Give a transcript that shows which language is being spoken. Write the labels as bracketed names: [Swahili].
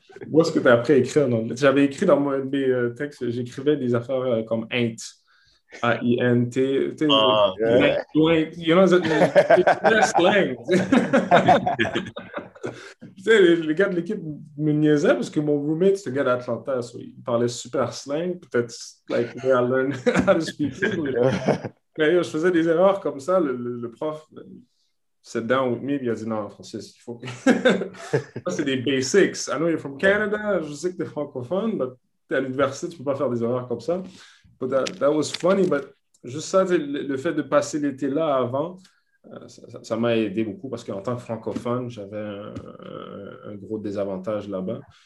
[French] Où est-ce que tu as appris à écrire en anglais? J'avais écrit dans mes textes, j'écrivais des affaires comme AINT. [English] A-I-N-T. You know, [French] c'est [English] slang. [French] Tu sais, les gars de l'équipe me niaisaient parce que mon roommate, c'est un gars d'Atlanta, so il parlait super slang. Peut-être, [English] like, we are learning how to speak it. [French] Mais yo, je faisais des erreurs comme ça. Le prof, [English] sat down with me, [French] il a dit, non, Francis, il faut... Ça, c'est des basics. [English] I know you're from Canada. [French] Je sais que t'es francophone, mais t'es à l'université, tu peux pas faire des erreurs comme ça. [English] But that was funny, [French] but juste ça, le fait de passer l'été là avant, ça m'a aidé beaucoup parce qu'en tant que francophone, j'avais un gros désavantage là-bas.